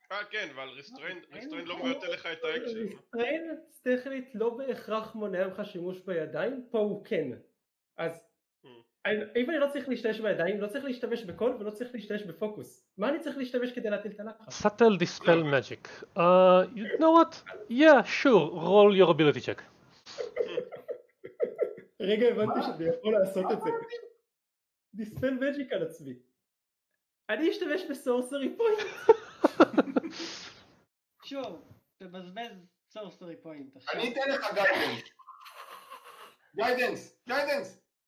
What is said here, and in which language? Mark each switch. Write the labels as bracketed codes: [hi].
[he] כן, ועל ריסטריינד, ריסטריינד לא מבטל לך את האקשן. ריסטריינד טכנית לא בהכרח מונע לך שימוש בידיים, פה הוא כן. אז אם אני לא צריך להשתמש בידיים, לא צריך להשתמש בקול ולא צריך להשתמש בפוקוס. מה אני צריך להשתמש כדי להטיל את הלחץ? [en] Subtle Dispel Magic. You know what? Yeah, sure, roll your ability check. [he] רגע, הבנתי שאני יכול לעשות את זה. דיספל מג'יק על עצמי. אני אשתמש בסורסרי פוינט. שוב, תבזבז סורסרי פוינט. אני אתן לך גיידנס. גיידנס!